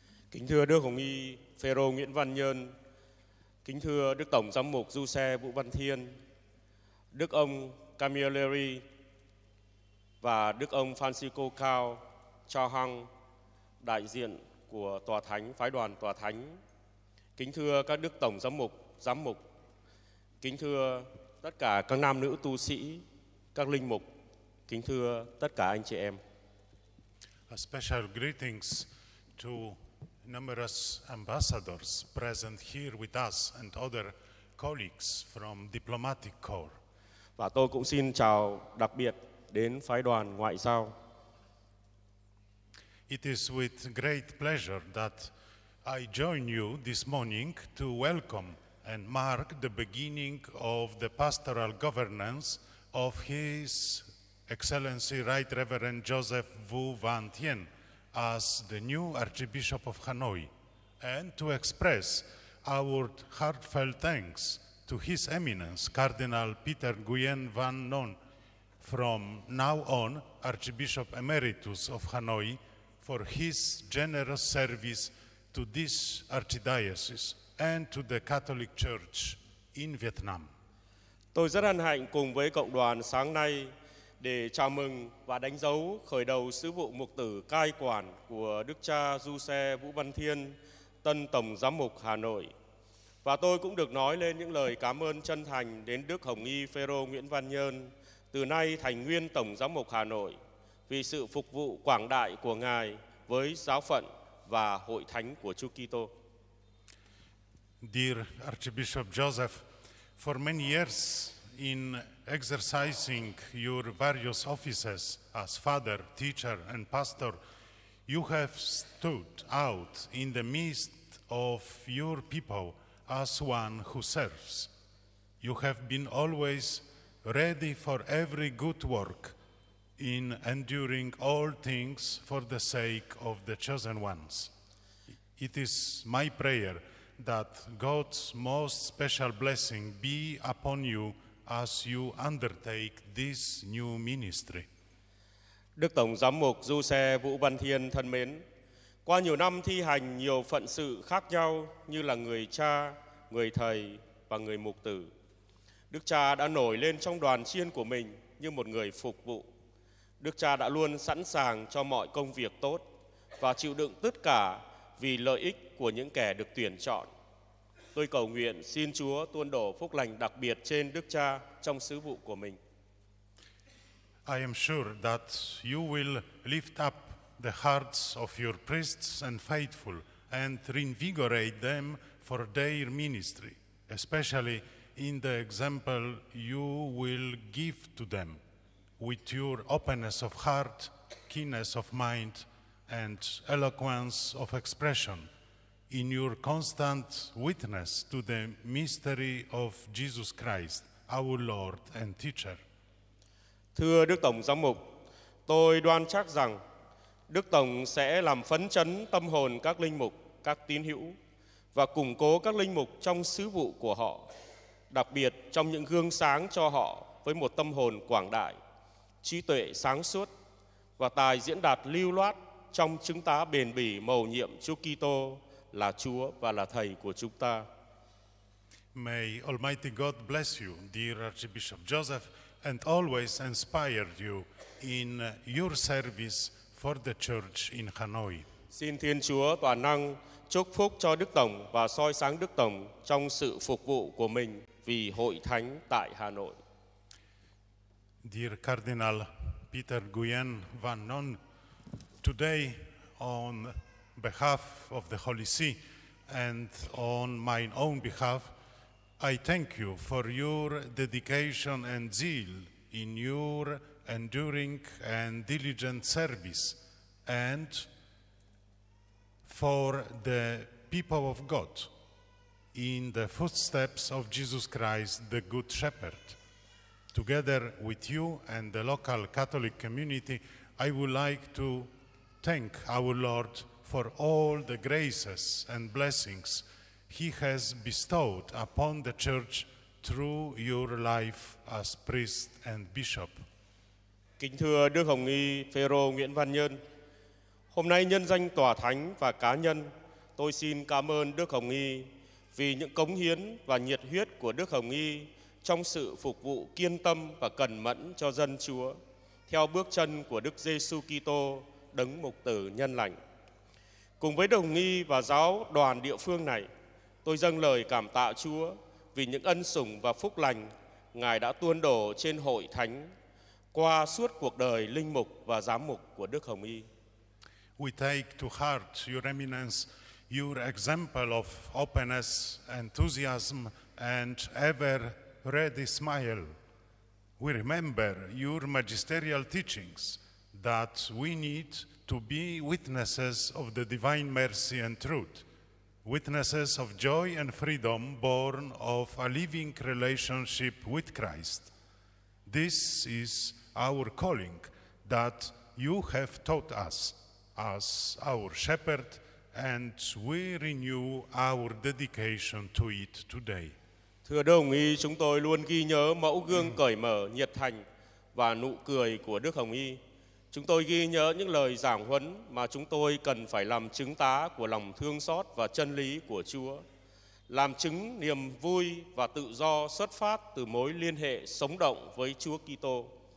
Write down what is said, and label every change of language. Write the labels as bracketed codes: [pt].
[vi] Kính thưa Đức Hồng Y Phêrô Nguyễn Văn Nhơn, kính thưa Đức Tổng Giám mục Giuse Vũ Văn Thiên, Đức ông Camilleri và Đức ông Francisco Cao Cho Hăng, đại diện của Tòa Thánh, Phái đoàn Tòa Thánh, kính thưa các Đức Tổng Giám mục, kính thưa tất cả các nam nữ tu sĩ, các linh mục, kính thưa tất cả anh chị em. [en] A special greetings to numerous ambassadors present here with us and other colleagues from diplomatic corps. [vi] Và tôi cũng xin chào đặc biệt đến phái đoàn ngoại giao. [en] It is with great pleasure that I join you this morning to welcome and mark the beginning of the pastoral governance of His Excellency Right Reverend Joseph Vu Van Thien as the new Archbishop of Hanoi, and to express our heartfelt thanks to His Eminence Cardinal Peter Nguyen Van Non, from now on Archbishop Emeritus of Hanoi, for his generous service to this archdiocese and to the Catholic Church in Vietnam. [vi] Tôi rất hân hạnh cùng với cộng đoàn sáng nay để chào mừng và đánh dấu khởi đầu sứ vụ mục tử cai quản của Đức Cha Giuse Vũ Văn Thiên, tân Tổng Giám mục Hà Nội. Và tôi cũng được nói lên những lời cảm ơn chân thành đến Đức Hồng Y Phêrô Nguyễn Văn Nhơn, từ nay thành nguyên Tổng Giám mục Hà Nội, vì sự phục vụ quảng đại của Ngài với giáo phận và hội thánh của Chúa Kitô. [en] Dear Archbishop Joseph, for many years in exercising your various offices as father, teacher, and pastor, you have stood out in the midst of your people as one who serves. You have been always ready for every good work in enduring all things for the sake of the chosen ones. It is my prayer that God's most special blessing be upon you as you undertake this new ministry. [vi] Đức Tổng Giám mục Giuse Vũ Văn Thiên thân mến, qua nhiều năm thi hành nhiều phận sự khác nhau như là người cha, người thầy và người mục tử, Đức Cha đã nổi lên trong đoàn chiên của mình như một người phục vụ. Đức Cha đã luôn sẵn sàng cho mọi công việc tốt và chịu đựng tất cả vì lợi ích của những kẻ được tuyển chọn. Tôi cầu nguyện xin Chúa tuôn đổ phúc lành đặc biệt trên Đức Cha trong sứ vụ của mình. [en] I am sure that you will lift up the hearts of your priests and faithful and reinvigorate them for their ministry, especially in the example you will give to them with your openness of heart, keenness of mind, and eloquence of expression, in your constant witness to the mystery of Jesus Christ, our Lord and Teacher. [vi] Thưa Đức Tổng Giám mục, tôi đoan chắc rằng Đức Tổng sẽ làm phấn chấn tâm hồn các linh mục, các tín hữu và củng cố các linh mục trong sứ vụ của họ, đặc biệt trong những gương sáng cho họ với một tâm hồn quảng đại, trí tuệ sáng suốt và tài diễn đạt lưu loát trong chứng tá bền bỉ mầu nhiệm Chúa Kitô là Chúa và là Thầy của chúng ta. [en] May Almighty God bless you, dear Archbishop Joseph, and always inspire you in your service for the Church in Hanoi. [vi] Xin Thiên Chúa toàn năng chúc phúc cho Đức Tổng và soi sáng Đức Tổng trong sự phục vụ của mình vì Hội Thánh tại Hà Nội. [en] Dear Cardinal Peter Nguyen Van Noon, today on behalf of the Holy See and on my own behalf, I thank you for your dedication and zeal in your enduring and diligent service and for the people of God in the footsteps of Jesus Christ, the Good Shepherd. Together with you and the local Catholic community, I would like to thank our Lord for all the graces and blessings He has bestowed upon the Church through your life as priest and bishop. [vi] Kính thưa Đức Hồng Y Phêrô Nguyễn Văn Nhơn, hôm nay nhân danh Tòa Thánh và cá nhân, tôi xin cảm ơn Đức Hồng Y vì những cống hiến và nhiệt huyết của Đức Hồng Y trong sự phục vụ kiên tâm và cần mẫn cho dân Chúa theo bước chân của Đức Giêsu Kitô, Đấng Mục Tử Nhân Lành. Cùng với Đức Hồng Y và giáo đoàn địa phương này, tôi dâng lời cảm tạ Chúa vì những ân sủng và phúc lành Ngài đã tuôn đổ trên Hội Thánh qua suốt cuộc đời linh mục và giám mục của Đức Hồng Y. [en] We take to heart your eminence, your example of openness, enthusiasm, and ever ready smile. We remember your magisterial teachings that we need to be witnesses of the divine mercy and truth, witnesses of joy and freedom born of a living relationship with Christ. This is our calling that you have taught us as our shepherd, and we renew our dedication to it today. [vi] Thưa Đức Hồng Y, chúng tôi luôn ghi nhớ mẫu gương cởi mở, nhiệt thành và nụ cười của Đức Hồng Y. Chúng tôi ghi nhớ những lời giảng huấn mà chúng tôi cần phải làm chứng tá của lòng thương xót và chân lý của Chúa, làm chứng niềm vui và tự do xuất phát từ mối liên hệ sống động với Chúa Kitô.